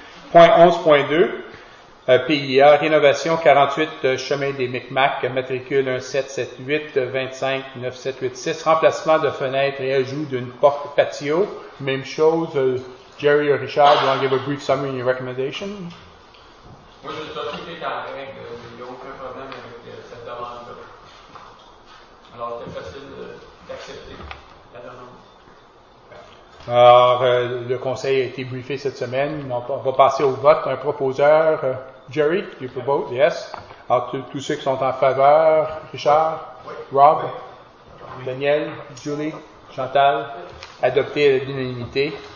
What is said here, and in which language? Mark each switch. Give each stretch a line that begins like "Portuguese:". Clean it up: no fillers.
French: Point 11.2, PIA, rénovation 48 chemin des Micmac, matricule 1778-25-9786, remplacement de fenêtres et ajout d'une porte patio. Même chose,
English: Jerry or Richard, you want to give a brief summary and your recommendation?
French: Moi, je suis tout est en règle, mais il n'y a aucun problème avec cette demande-là. Alors, c'est facile d'accepter la demande. Alors, le conseil a été briefé cette semaine. On va passer au vote. Un proposeur, Jerry,
English: you for vote, yes.
French: Alors, tous ceux qui sont en faveur, Richard, Rob, Daniel, Julie, Chantal, adopté à l'unanimité.